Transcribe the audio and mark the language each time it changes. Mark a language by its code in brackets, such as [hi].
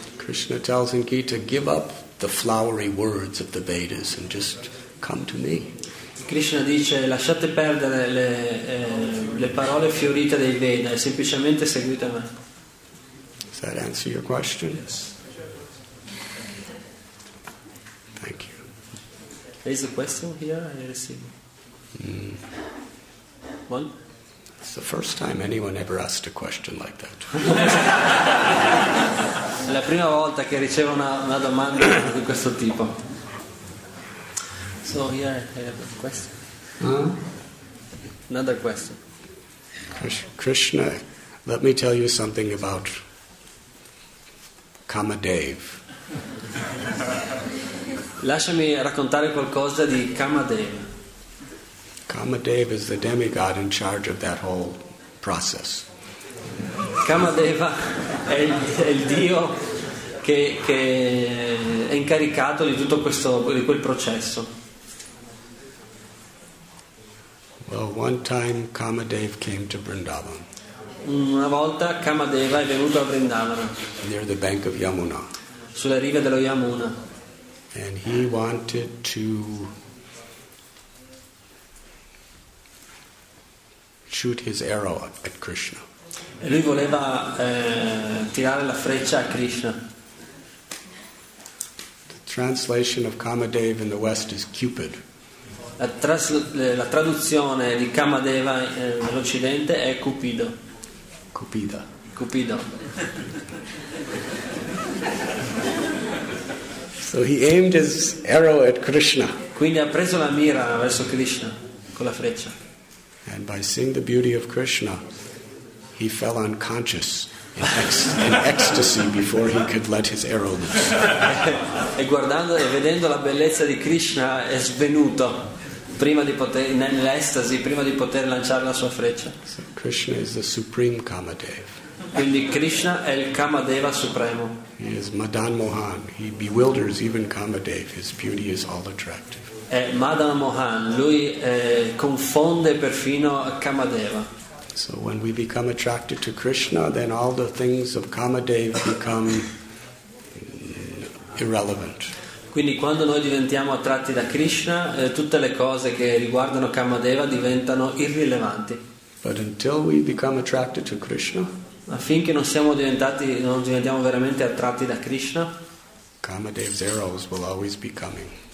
[en] Krishna tells in Gita, give up the flowery words of the Vedas and just come to me. [it] Krishna dice lasciate perdere le parole fiorite dei Veda e semplicemente seguite me. [en] Does that answer your question? Yes. Thank you. There is a question here I receive. One. It's the first time anyone ever asked a question like that. [it] La prima volta che ricevo una domanda di questo tipo. [en] So here I have a question. Huh? Another question. Krishna, let me tell you something about Kamadev. [it] Lasciami raccontare qualcosa di Kamadev. [en] Kamadev is the demigod in charge of that whole process. [it] Kamadeva è il dio che è incaricato di tutto questo di quel processo. [en] Well, one time Kamadev came to Vrindavan. [it] Una volta Kamadeva è venuto a Vrindavan. [en] Near the bank of Yamuna. [it] Sulla riva dello Yamuna. [en] And he wanted to shoot his arrow at Krishna. [it] E lui voleva tirare la freccia a Krishna. [en] The translation of Kamadev in the West is Cupid. [it] La traduzione di Kamadeva nell'Occidente è Cupido. Cupida. Cupido. [en] So he aimed his arrow at Krishna. [it] Quindi ha preso la mira verso Krishna con la freccia. [en] And by seeing the beauty of Krishna, he fell unconscious in ecstasy before he could let his arrow loose. [it] E guardando e vedendo la bellezza di Krishna è svenuto prima di poter nell'estasi prima di poter lanciare la sua freccia. [en] So Krishna is the supreme Kamadev. [it] Quindi Krishna è il Kamadeva supremo. [en] He is Madan Mohan. He bewilders even Kamadev. His beauty is all attractive. [it] È Madan Mohan, lui confonde perfino Kamadeva. [en] So when we become attracted to Krishna, then all the things of Kamadeva become irrelevant. [it] Quindi quando noi diventiamo attratti da Krishna, tutte le cose che riguardano Kamadeva diventano irrilevanti. [en] But until we become attracted to Krishna, [it] affinché non siamo diventati, non diventiamo veramente attratti da Krishna, [en] Kamadeva's arrows will always be coming.